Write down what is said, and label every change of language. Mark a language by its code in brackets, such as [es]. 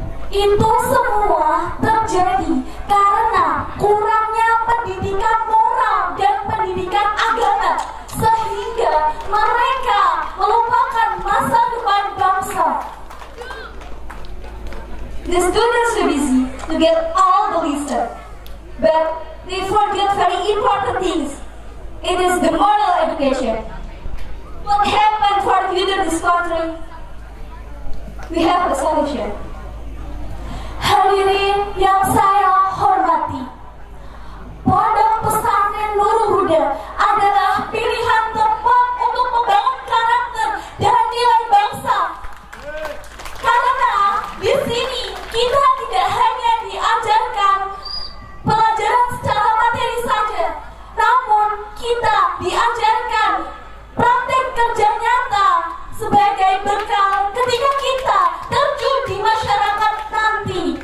[id] Itu semua terjadi karena kurangnya pendidikan moral dan pendidikan agama, sehingga mereka melupakan masa depan bangsa. [en] The students are busy to get all the listed, but they forget very important things. It is the moral education. What happened for the future of this country? We have a solution. [id] Hadirin yang saya hormati, Pondok Pesantren Nurul Huda adalah pilihan tepat untuk membangun karakter dan nilai bangsa. Karena di sini kita tidak hanya diajarkan pelajaran secara materi saja, namun kita diajarkan praktek kerja nyata sebagai bekal ketika kita terjun di masyarakat nanti.